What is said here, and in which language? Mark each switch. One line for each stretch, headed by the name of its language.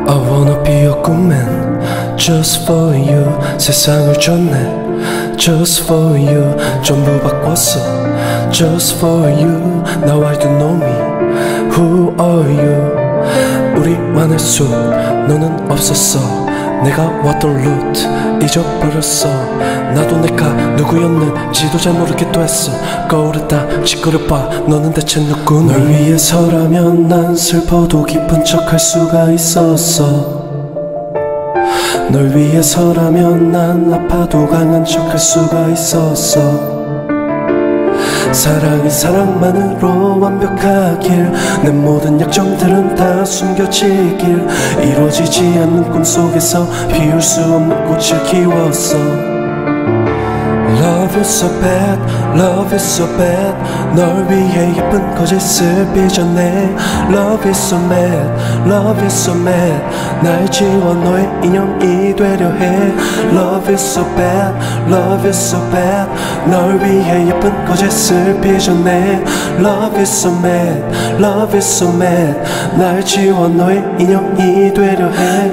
English: I wanna be a good man just for you.
Korean: 세상을 줬네
English: just for you.
Korean: 전부 바꿨어
English: just for you. Now I don't know me, who are you?
Korean: 우리만의 숲 너는 없었어. 내가 왔던 루트 잊어버렸어. 나도 내가 누구였는지도 잘 모르겠다 했어. 거울에 딱 짓거려 봐 너는 대체 누구니? 널 위해서라면 난 슬퍼도 기쁜 척할 수가 있었어. 널 위해서라면 난 아파도 강한 척할 수가 있었어. 사랑이 사랑만으로 완벽하길, 내 모든 약점들은 다 숨겨지길. 이뤄지지 않는 꿈속에서 피울 수 없는 꽃을 키웠어.
English: Love is so bad, love is so bad.
Korean: 널 위해 예쁜 거짓을 빚었네.
English: Love is so mad, love is so mad.
Korean: 날 지워 너의 인형이 되려 해.
English: Love is so bad, love is so bad.
Korean: 널 위해 예쁜 거짓을 빚었네.
English: Love is so mad, love is so mad.
Korean: 날 지워 너의 인형이 되려 해.